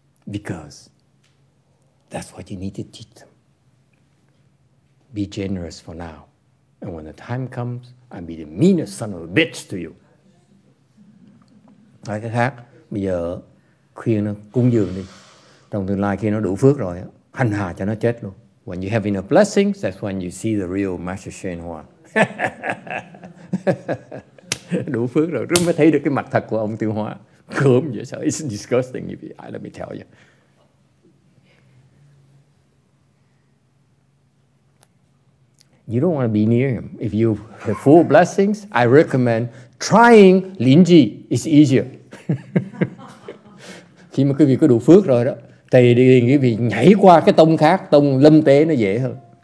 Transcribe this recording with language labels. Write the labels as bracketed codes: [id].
[en] Because that's what you need to teach them. Be generous for now. And when the time comes, I'll be the meanest son of a bitch to you. [vi] Nói cái khác, bây giờ khuyên nó cúng dường đi. Trong tương lai khi nó đủ phước rồi, hành hạ cho nó chết luôn. [en] When you have enough blessings, that's when you see the real Master Shenhua. [vi] Đủ phước rồi, rồi mới thấy được cái mặt thật của ông Tiêu Hóa. Cơm vậy sao? [en] It's disgusting. Let me tell you. You don't want to be near him. If you have full blessings, I recommend trying Linji. It's easier. [vi] Khi mà quý vị có đủ phước rồi đó, thì quý vị nhảy qua cái tông khác, tông lâm tế nó dễ hơn.